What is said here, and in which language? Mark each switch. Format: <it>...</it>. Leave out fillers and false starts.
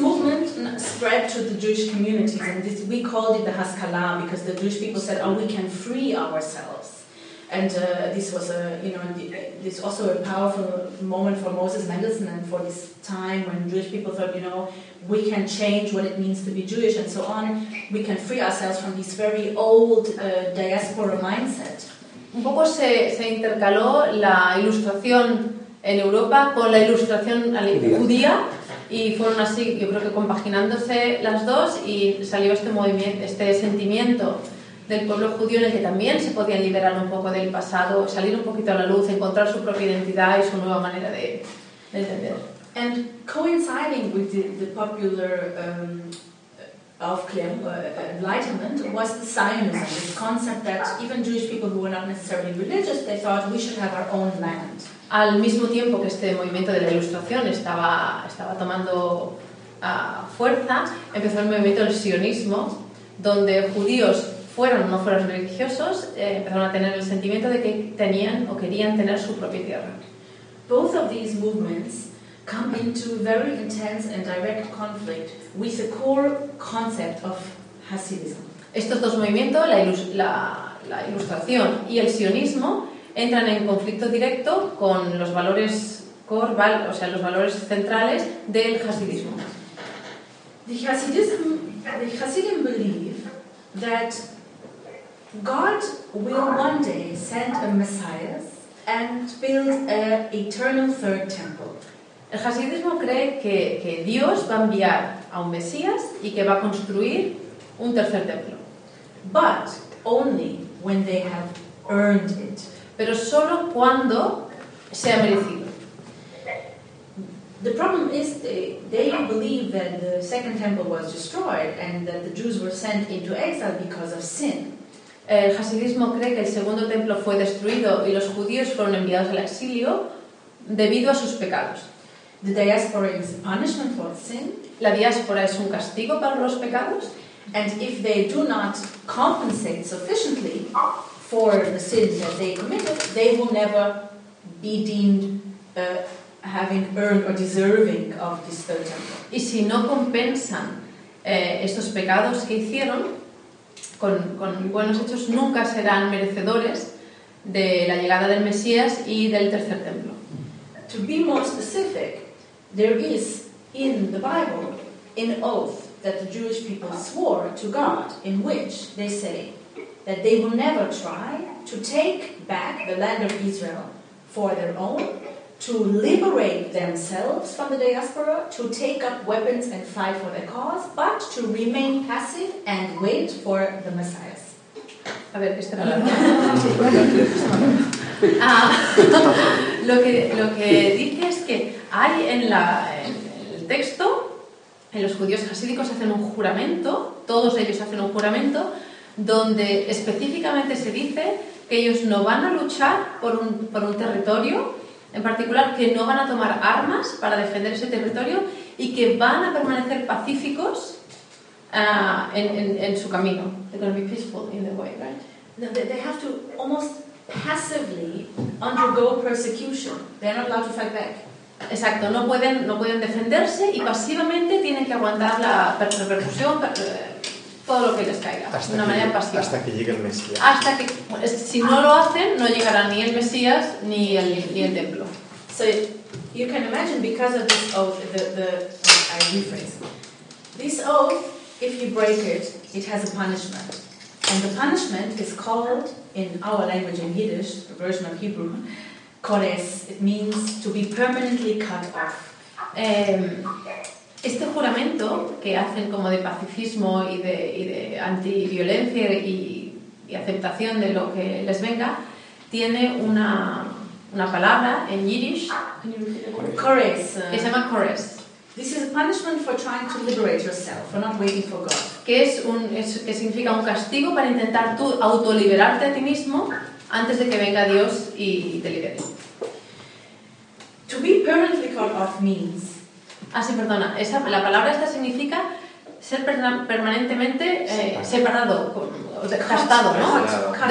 <en>movement spread to the Jewish community, and this, we called it the Haskalah because the Jewish people said, "Oh, we can free ourselves." And this was a, you know, this also a powerful moment for Moses Mendelssohn and for this time when Jewish people thought, you know, we can change what it means to be Jewish and so on. We can free ourselves from this very old diaspora mindset.</en> <es>Un poco se intercaló la ilustración en Europa con la ilustración judía y fueron así, yo creo que compaginándose las dos y salió este movimiento, este sentimiento del pueblo judío en el que también se podían liberar un poco del pasado, salir un poquito a la luz, encontrar su propia identidad y su nueva manera de entender.</es> <en>And coinciding with the popular Enlightenment was the Zionism, the concept that even Jewish people who were not necessarily religious, they thought we should have our own land.</en> <es>Al mismo tiempo que este movimiento de la Ilustración estaba tomando fuerza, empezó el movimiento del sionismo, donde judíos fueron o no fueron religiosos, empezaron a tener el sentimiento de que tenían o querían tener su propia tierra.</es> <en>Both of these movements come into very intense and direct conflict with the core concept of Hasidism.</en> <es>Estos dos movimientos, la ilustración y el sionismo, entran en conflicto directo con los valores core, o sea, los valores centrales del Hasidismo.</es> <en>The Hasidim believe that God will one day send a Messiah and build an eternal third temple.</en> <es>El hasidismo cree que Dios va a enviar a un Mesías y que va a construir un tercer templo.</es> <en>But only when they have earned it.</en> <es>Pero solo cuando se ha merecido.</es> <en>The problem is they believe that the second temple was destroyed and that the Jews were sent into exile because of sin.</en> <es>El hasidismo cree que el segundo templo fue destruido y los judíos fueron enviados al exilio debido a sus pecados.</es> <en>The diaspora is a punishment for sin.</en> <es>La diáspora es un castigo para los pecados.</es> <en>And if they do not compensate sufficiently for the sins that they committed, they will never be deemed having earned or deserving of this third temple.</en> <es>Y si no compensan estos pecados que hicieron, con buenos hechos, nunca serán merecedores de la llegada del Mesías y del tercer templo.</es> <en>To be more specific, there is in the Bible an oath that the Jewish people swore to God in which they say that they will never try to take back the land of Israel for their own, to liberate themselves from the diaspora, to take up weapons and fight for their cause, but to remain passive and wait for the Messiah.</en> <es>A ver, esta palabra. lo que dice es que hay en el texto, en los judíos hasídicos hacen un juramento, todos ellos hacen un juramento, donde específicamente se dice que ellos no van a luchar por un territorio en particular, que no van a tomar armas para defender ese territorio y que van a permanecer pacíficos en su camino.</es> <en>They're going to be peaceful in the way, right? No, they have to almost passively undergo persecution. They're not allowed to fight back.</en> <es>Exacto, no pueden defenderse y pasivamente tienen que aguantar la repercusión, todo lo que les caiga, hasta de una manera pasiva. Hasta que llegue el Mesías. Hasta que, si no lo hacen, no llegará ni el Mesías ni el templo.</es> <en>So you can imagine because of this oath, the I rephrase. This oath, if you break it, it has a punishment. And the punishment is called, in our language in Yiddish, a version of Hebrew, kores. It means to be permanently cut off.</en> <es>Este juramento que hacen como de pacifismo y de antiviolencia y aceptación de lo que les venga, tiene una palabra en Yiddish. Kores. Se llama kores.</es> <en>This is a punishment for trying to liberate yourself, for not waiting for God.</en> <es>que es un es, que significa un castigo para intentar tú autoliberarte a ti mismo antes de que venga Dios y te libere.</es> <en>To be permanently cut off means.</en> <es>Ah, sí, perdona. Esa, la palabra esta significa ser permanentemente separado, castado, ¿no?</es>